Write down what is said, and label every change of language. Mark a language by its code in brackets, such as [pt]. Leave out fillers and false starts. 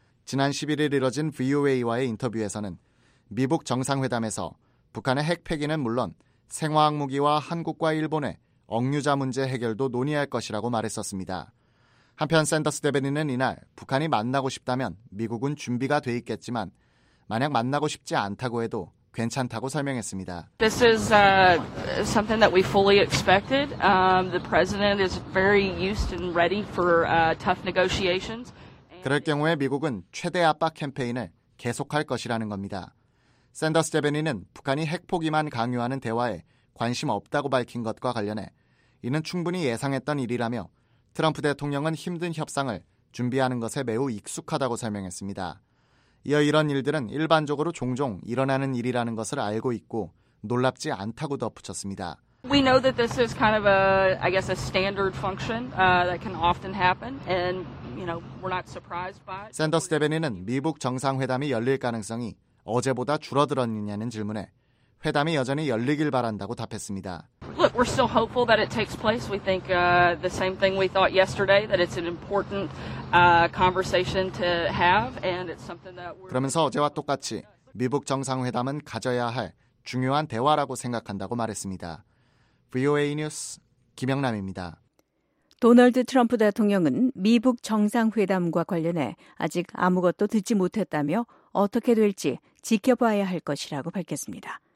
[ko] 지난 11일 이뤄진 VOA와의 인터뷰에서는 미북 정상회담에서 북한의 핵 폐기는 물론 생화학무기와 한국과 일본의 억류자 문제 해결도 논의할 것이라고 말했었습니다. 한편 샌더스 대변인은 이날 북한이 만나고 싶다면 미국은 준비가 돼 있겠지만 만약 만나고 싶지 않다고 해도 괜찮다고 설명했습니다. [en] This is something that we fully expected. The president is very used and ready for tough negotiations. [ko] 그럴 경우에 미국은 최대 압박 캠페인을 계속할 것이라는 겁니다. 샌더스 대변인은 북한이 핵포기만 강요하는 대화에 관심 없다고 밝힌 것과 관련해 이는 충분히 예상했던 일이라며 트럼프 대통령은 힘든 협상을 준비하는 것에 매우 익숙하다고 설명했습니다. 이어 이런 일들은 일반적으로 종종 일어나는 일이라는 것을 알고 있고 놀랍지 않다고 덧붙였습니다. [en] We know that this is kind of a, I guess, a standard function that can often happen, and you know, we're not surprised by it. [ko] 샌더스 대변인은 미국 정상회담이 열릴 가능성이 어제보다 줄어들었느냐는 질문에 회담이 여전히 열리길 바란다고 답했습니다. [en] Look, we're still hopeful that it takes place. We think the same thing we thought yesterday, that it's an important conversation to have, and it's something that we're. [ko] 그러면서 어제와 똑같이 미국 정상회담은 가져야 할 중요한 대화라고 생각한다고 말했습니다. VOA 뉴스 김영남입니다. 도널드 트럼프 대통령은 미북 정상회담과 관련해 아직 아무것도 듣지 못했다며 어떻게 될지 지켜봐야 할 것이라고 밝혔습니다.